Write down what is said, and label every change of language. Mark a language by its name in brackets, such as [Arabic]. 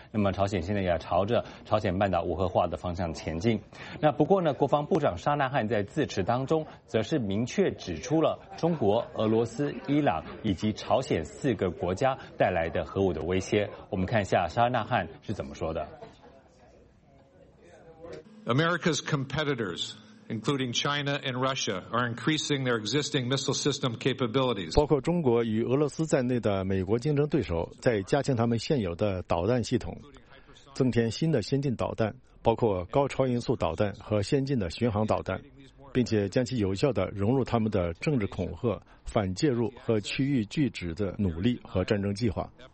[Chinese] 那么朝鲜现在也朝着朝鲜半岛无核化的方向前进。那不过呢，国防部长沙纳汉在致辞当中则是明确指出了中国、俄罗斯、伊朗以及朝鲜4个国家带来的核武的威胁。我们看一下沙纳汉是怎么说的。 [English] America's competitors, including China and Russia, are increasing their existing missile system capabilities. [Chinese] 包括中国与俄罗斯在内的美国竞争对手在加强他们现有的导弹系统，增添新的先进导弹，包括高超音速导弹和先进的巡航导弹，并且将其有效地融入他们的政治恐吓、反介入和区域拒止的努力和战争计划。